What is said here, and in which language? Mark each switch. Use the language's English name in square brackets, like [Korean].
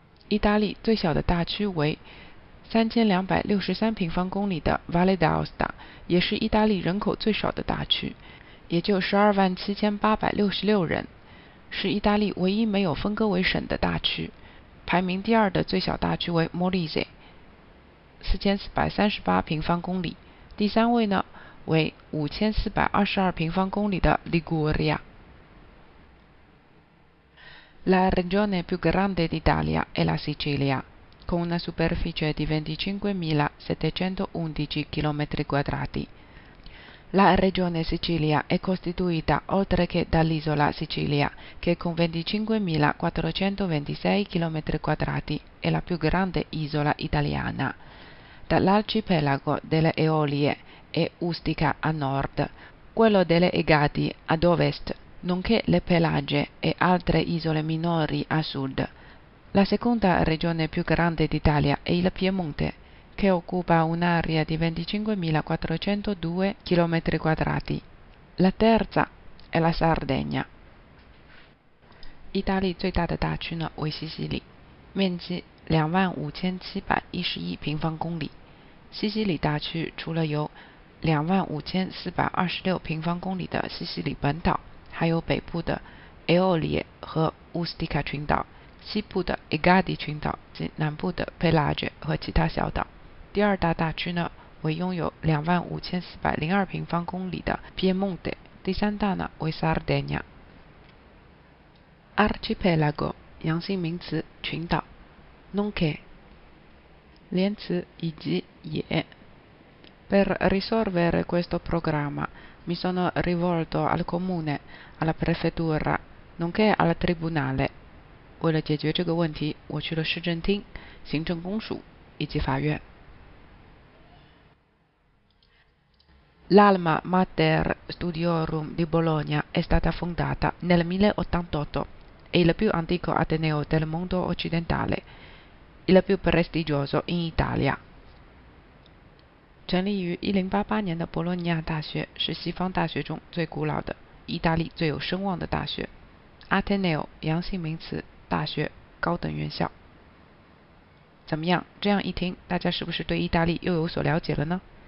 [Chinese] Italia 最小的大区为3263平方公里的 Valle d'Aosta 也是意大利人口最少的大区，也就127866人，是意大利唯一没有分割为省的大区。排名第二的最小大区为 Molise 4438平方公里，第三位呢为5422平方公里的 Liguria。 [Italian] La regione più grande d'Italia è la Sicilia,con una superficie di 25.711 km². La regione Sicilia è costituita oltre che dall'isola Sicilia, che con 25.426 km² è la più grande isola italiana, dall'arcipelago delle Eolie e Ustica a nord, quello delle Egadi ad ovest, nonché le Pelagie e altre isole minori a sud. La seconda regione più grande d'Italia è il Piemonte, che occupa un'area di 25.402 km². La terza è la Sardegna. [Chinese] Italia 最大的大区呢为西西里，面积25711平方公里。西西里大区除了有25426平方公里的西西里本岛，还有北部的 Eolie 和 Ustica 群岛。西部的 Egadi 群岛及南部的 Pelagie 和其他小岛。第二大大区呢为拥有25402平方公里的 Piemonte di Santana o Sardegna. Arcipelago, yangxi mingzi, qingdao, nonché. Lianci, yiji, ye. [Italian] Per risolvere questo programma, mi sono rivolto al comune, alla prefettura, nonché al tribunale. [Chinese] 为了解决这个问题，我去了市政厅、行政公署以及法院。 [Italian] L'Alma Mater Studiorum di Bologna è stata fondata nel 1088, è il più antico ateneo del mondo occidentale, il più prestigioso in Italia. [Chinese] 成立于1088年的 Bologna 大学是西方大学中最古老的, Italy 最有声望的大学, Ateneo, 阳性名词, 大学, 高等院校。怎么样,这样一听, 大家是不是对意大利又有所了解了呢?